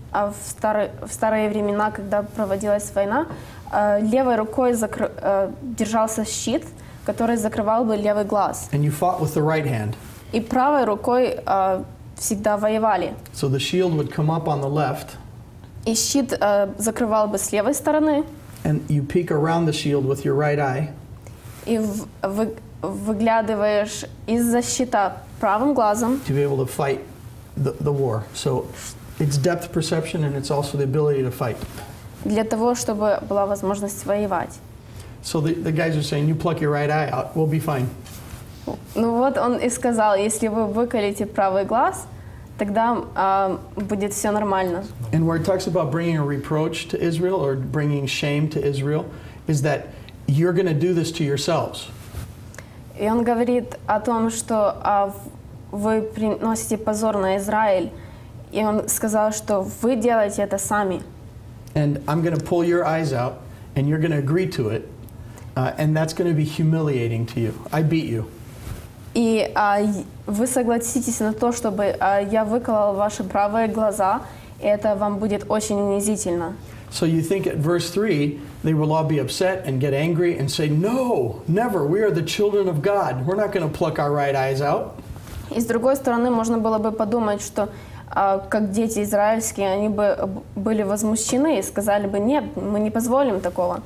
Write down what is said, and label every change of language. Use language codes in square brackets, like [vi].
[ru] В старые времена, когда проводилась война, левой рукой держался щит, который закрывал бы левый глаз. [en] And you fought with the right hand. [ru] И правой рукой всегда воевали. [en] So the shield would come up on the left. [ru] И щит закрывал бы с левой стороны. [en] And you peek around the shield with your right eye. [uk] І виглядаєш із-за щита правим глазом. [en] To be able to fight the war. So it's depth perception and it's also the ability to fight. [uk] Для того, щоб була можливість воювати. [en] So the guys are saying, you pluck your right eye out, we'll be fine. [uk] Ну от він і сказав, якщо ви виколете правий глаз, тоді буде все нормально. [en] And where it talks about bringing a reproach to Israel or bringing shame to Israel is that you're going to do this to yourselves. [uk] І він говорить о том, що ви приносите позор на Ізраїль. І він сказав, що ви делаете це самі. [en] And I'm going to pull your eyes out and you're going to agree to it. And that's going to be humiliating to you. I beat you. [uk] І ви согласитесь на то, щоб я виколол ваші праві очі, і це вам буде дуже унизительно. [en] So you think at verse 3 they will all be upset and get angry and say, no, never, we are the children of God. We're not going to pluck our right eyes out. [uk] І з другої сторони можна було б подумати, що як діти ізраїльські, вони б були возмущені і сказали б, ні, ми не дозволимо такого.